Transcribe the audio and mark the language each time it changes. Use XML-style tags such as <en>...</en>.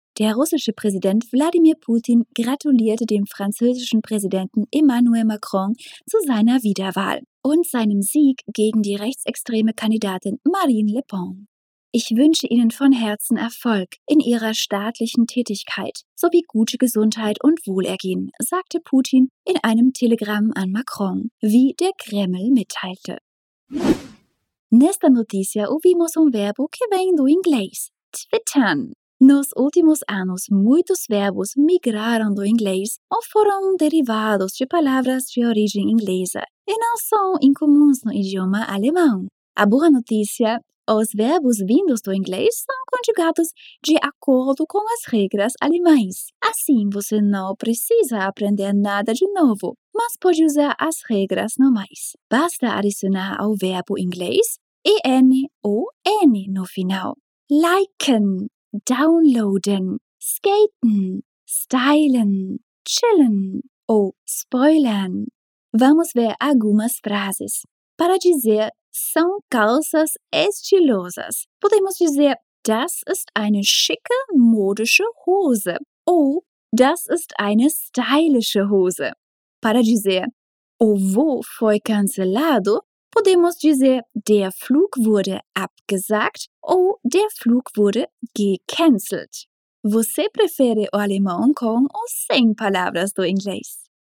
<de>Der russische Präsident Wladimir Putin gratulierte dem französischen Präsidenten Emmanuel Macron zu seiner Wiederwahl und seinem Sieg gegen die rechtsextreme Kandidatin Marine Le Pen. Ich wünsche Ihnen von Herzen Erfolg in Ihrer staatlichen Tätigkeit sowie gute Gesundheit und Wohlergehen, sagte Putin in einem Telegramm an Macron, wie der Kreml mitteilte.</de> <pt>Nesta noticia ouvimos um verbo que vem do inglês, twittern. Nos últimos anos, muitos verbos migraram do inglês ou foram derivados de palavras de origem inglesa e não são incomuns no idioma alemão. A boa notícia, os verbos vindos do inglês são conjugados de acordo com as regras alemães. Assim, você não precisa aprender nada de novo, mas pode usar as regras normais. Basta adicionar ao verbo inglês en ou n no final. Liken, downloaden, skaten, stylen, chillen ou spoilern. Vamos ver algumas frases. Para dizer são calças estilosas, podemos dizer</pt> <de>das ist eine schicke modische Hose</de> <pt>ou</pt> <de>das ist eine stylische Hose.</de> <pt>Para dizer o voo foi cancelado, podemos dizer</pt> <de>der Flug wurde abgesagt</de> <pt>ou</pt> <de>der Flug wurde gecancelt.</de> <pt>Você prefere o alemão com ou sem palavras do inglês?</pt>